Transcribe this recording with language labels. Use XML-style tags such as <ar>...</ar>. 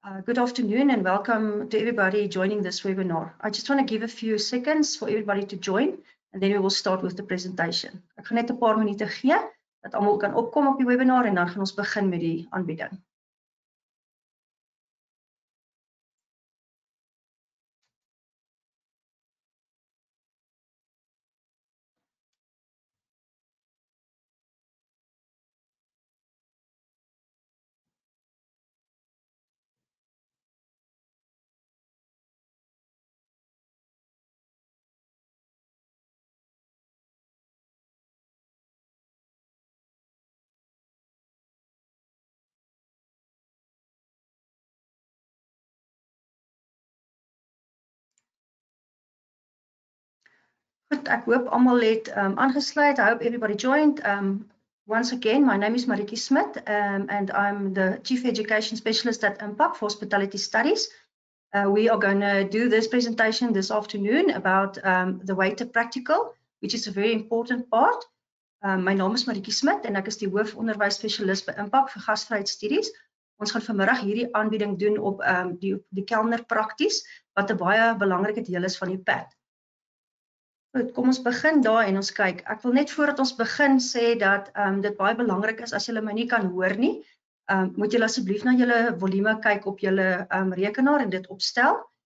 <en>Good afternoon and welcome to everybody joining this webinar. I just want to give a few seconds for everybody to join and then we will start with the presentation.</en> <af>Ek gaan net 'n paar minute gee dat almal kan opkom op die webinar en dan gaan ons begin met die aanbieding. Goed, ek hoop almal het aangesluit.</af> <en>I hope everybody joined. Once again, my name is Maritjie Smit and I'm the Chief Education Specialist at MPAC for Hospitality Studies. We are going to do this presentation this afternoon about the waiter practical, which is a very important part.</en> <af>My naam is Maritjie Smit en ek is die hoofonderwys spesialist by MPAC vir gasvryheidstudies. Ons gaan vanmiddag hierdie aanbieding doen op die kelner prakties wat 'n baie belangrike deel is van die pad. Goed, kom ons begin daar en ons kyk. Ek wil net voordat ons begin sê dat dit baie belangrik is as julle my nie kan hoor nie, moet julle asseblief na julle volume kyk op julle rekenaar en dit opstel.</af>